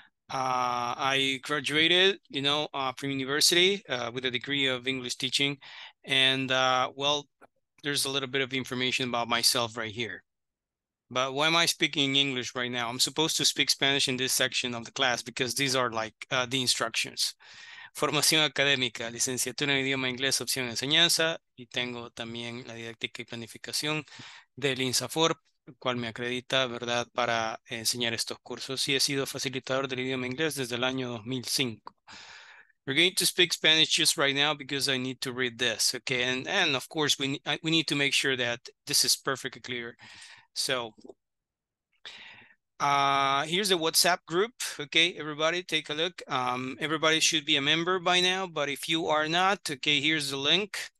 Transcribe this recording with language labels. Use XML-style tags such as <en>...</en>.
<en>I graduated, you know, from university with a degree of English teaching, and well, there's a little bit of information about myself right here. But why am I speaking English right now? I'm supposed to speak Spanish in this section of the class because these are like the instructions.</en> <es>Formación académica, licenciatura en idioma inglés, opción de enseñanza, y tengo también la didáctica y planificación del INSAFORP, cual me acredita, ¿verdad?, para enseñar estos cursos, y he sido facilitador del idioma inglés desde el año 2005.</es> <en>We're going to speak Spanish just right now because I need to read this, okay, and of course we need to make sure that this is perfectly clear. So, here's the WhatsApp group. Okay, everybody, take a look. Everybody should be a member by now, but if you are not, okay, here's the link.</en>